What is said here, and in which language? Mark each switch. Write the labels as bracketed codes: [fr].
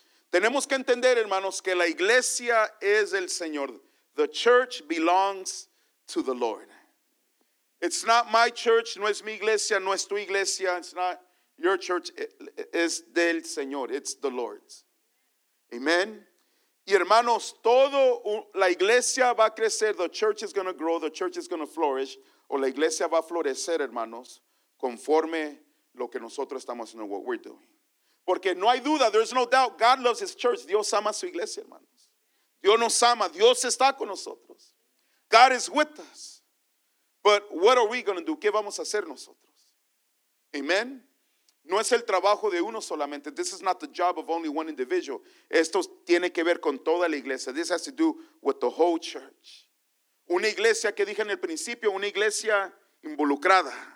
[es] Tenemos que entender, hermanos, que la iglesia es el Señor. [en] The church belongs to the Lord. It's not my church, [es] no es mi iglesia, no es tu iglesia, [en] it's not your church, [es] es del Señor, [en] it's the Lord's. [es] Amen. Y hermanos, todo la iglesia va a crecer, [en] the church is going to grow, the church is going to flourish, [es] o la iglesia va a florecer, hermanos, conforme lo que nosotros estamos haciendo, [en] what we're doing. [es] Porque no hay duda, [en] there's no doubt, God loves his church, [es] Dios ama su iglesia, hermano. Dios nos ama. Dios está con nosotros. [en] God is with us. But what are we going to do? [es] ¿Qué vamos a hacer nosotros? [en] Amen. [es] No es el trabajo de uno solamente. [en] This is not the job of only one individual. [es] Esto tiene que ver con toda la iglesia. [en] This has to do with the whole church. [es] Una iglesia que dije en el principio, una iglesia involucrada.